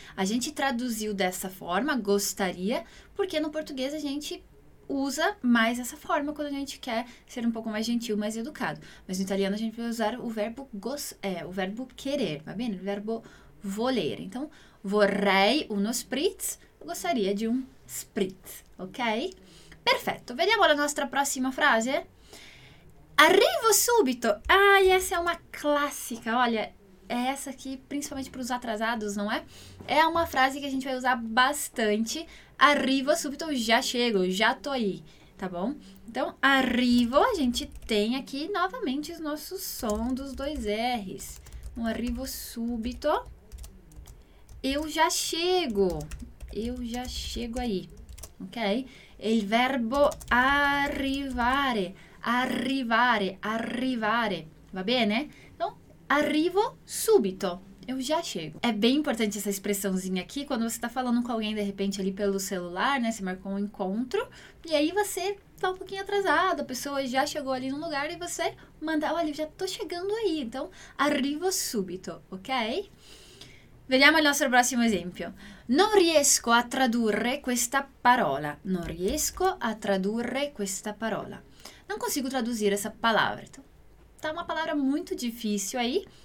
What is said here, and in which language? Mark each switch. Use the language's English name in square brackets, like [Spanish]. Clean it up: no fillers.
[Portuguese] A gente traduziu dessa forma, gostaria, porque no português a gente usa mais essa forma quando a gente quer ser um pouco mais gentil, mais educado. Mas no italiano a gente vai usar o verbo querer, tá bem? O verbo volere. Então, [Italian] vorrei uno spritz, [Portuguese] eu gostaria de um spritz, ok? [Italian] Perfetto, vediamo la nostra prossima frase. Arrivo subito! [Portuguese] Ah, essa é uma clássica, olha, é essa aqui, principalmente para os atrasados, não é? É uma frase que a gente vai usar bastante. [Italian] Arrivo subito, [Portuguese] já chego, já tô aí, tá bom? Então, arrivo, a gente tem aqui novamente o nosso som dos dois R's. Um [Italian] arrivo subito. [Portuguese] Eu já chego. Eu já chego aí, ok? [Italian] Il verbo arrivare. Arrivare, arrivare, va bene? [Portuguese] Então, [Italian] arrivo subito, [Portuguese] eu já chego. É bem importante essa expressãozinha aqui quando você está falando com alguém de repente ali pelo celular, né? Você marcou um encontro e aí você tá um pouquinho atrasado, a pessoa já chegou ali no lugar e você manda, olha, eu já tô chegando aí. Então, [Italian] arrivo subito, ok? Vediamo il nostro prossimo esempio. Non riesco a tradurre questa parola. Non riesco a tradurre questa parola. [Portuguese] Non consigo traduzir essa palavra. Então, tá uma palavra muito difícil aí.